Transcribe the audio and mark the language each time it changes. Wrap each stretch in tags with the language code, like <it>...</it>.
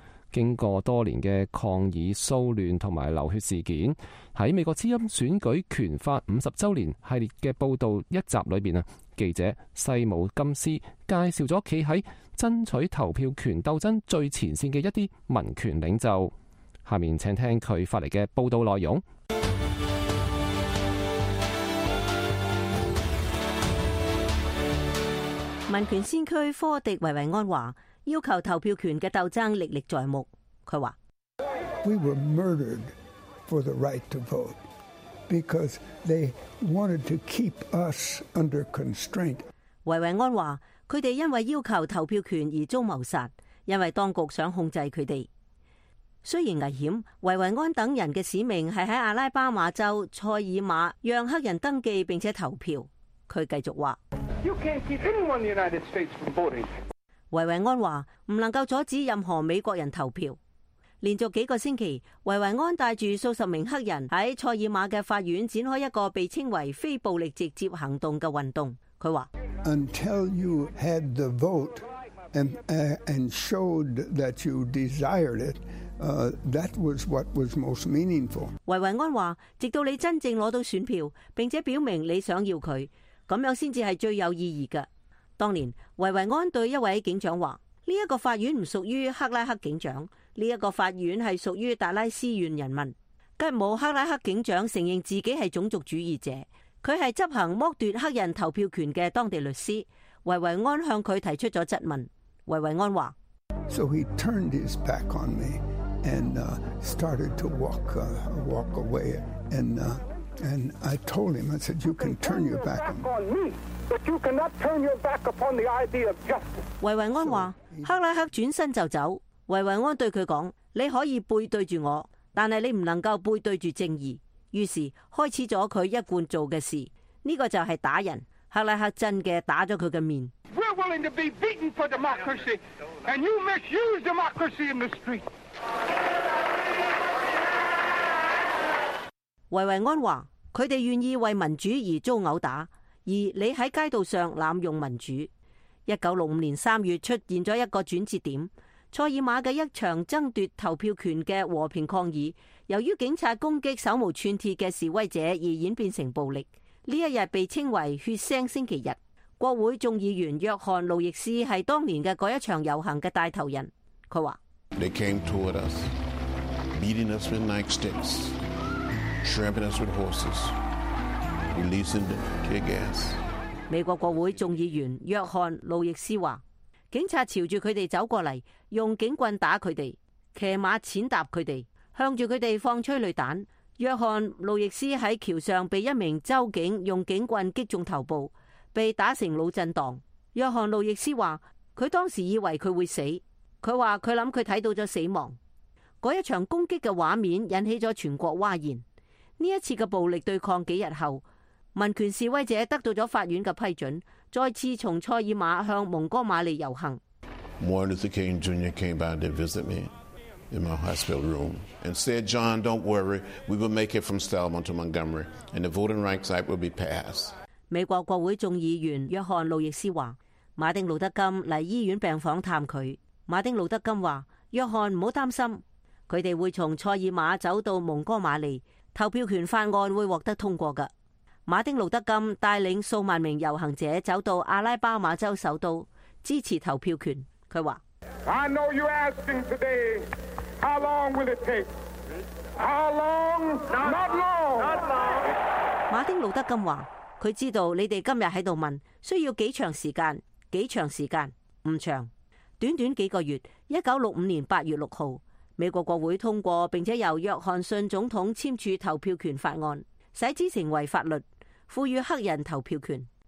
<zh>经过多年的抗议、骚乱和流血事件，在美国之音选举权法五十周年系列的报道一集里面，记者西姆金斯介绍了站在争取投票权斗争最前线的一些民权领袖。下面请听他发来的报道内容。民权先驱科迪维维安华要求投票权的斗争历历在目。他说</zh> <en>：We were murdered for the right to vote because they wanted to keep us under constraint。</en> <zh>维维安话：佢哋因为要求投票权而遭谋杀，因为当局想控制佢哋。虽然危险，维维安等人的使命是在阿拉巴马州塞尔玛让黑人登记并且投票。他继续说。</zh> <en>You can't keep anyone in the United States from voting.</en> <zh>维维安说不能够阻止任何美国人投票。连续几个星期，维维安带着数十名黑人在塞尔玛的法院展开一个被称为非暴力直接行动的运动。他说</zh> <en>Until you had the vote and showed that you desired it,that was what was most meaningful.</en> <zh>维维安说直到你真正拿到选票并且表明你想要它，这样才是最有意义的。当年维维安对一位警长说，这个法院不属于克拉克警长，这个法院是属于达拉斯县人民。吉姆克拉克警长承认自己是种族主义者，他是执行剥夺黑人投票权的当地律师。维维安向他提出了质问。维维安说</zh> <en>So he turned his back on me and started to walk away and I told him, I said, you can turn your back on me, but you cannot turn your back upon the idea of justice.</en> <zh>维维安说，克拉克转身就走。维维安对他说，你可以背对着我，但是你不能够背对着正义。于是开始了他一贯做的事，这个就是打人。克拉克真的打了他的面。</zh> <en>We're willing to be beaten for democracy, and you misuse democracy in the street.</en> <zh>维维安说，他们愿意为民主而遭殴打，而你在街道上滥用民主。 1965年3月出现了一个转折点，塞尔玛的一场争夺投票权的和平抗议，由于警察攻击手无寸铁的示威者而演变成暴力，这一日被称为血腥星期日。国会众议员约翰·路易斯是当年的那一场游行的带头人。他说</zh> <en>They came toward us, beating us with knife sticks, trampling us with horses, releasing the tear gas.</en> <zh>美国国会众议员约翰·路易斯说，警察朝着他们走过来，用警棍打他们，骑马践踏他们，向着他们放催泪弹。约翰·路易斯在桥上被一名州警用警棍击中头部，被打成脑震荡。约翰·路易斯说，他当时以为他会死。他说他想他看到了死亡。那一场攻击的画面引起了全国哗然。这一次的暴力对抗几日后，民权示威者得到了法院的批准，再次从塞尔玛向蒙哥马利游行。</zh> <en>Martin Luther King Jr. came by to visit me in my hospital room and said, John, don't worry, we will make it from Selma to Montgomery and the Voting Rights Act will be passed.</en> <zh>美国国会众议员约翰·路易斯说，马丁·路德金来医院病房探他。马丁·路德金说，约翰不要担心，他们会从塞尔玛走到蒙哥马利，投票权法案会获得通过的。马丁·路德金带领数万名游行者走到阿拉巴马州首都支持投票权。他说，</zh> <en>I know you're asking today, how long will it take? How long? Not long. Not long.</en> <zh>马丁·路德金说，他知道你们今天在这里问需要几长时间，几长时间，不长。短短几个月，1965年8月6号，美国国会通过并且由约翰逊总统签署投票权法案，使之成为法律，赋予黑人投票权。</zh>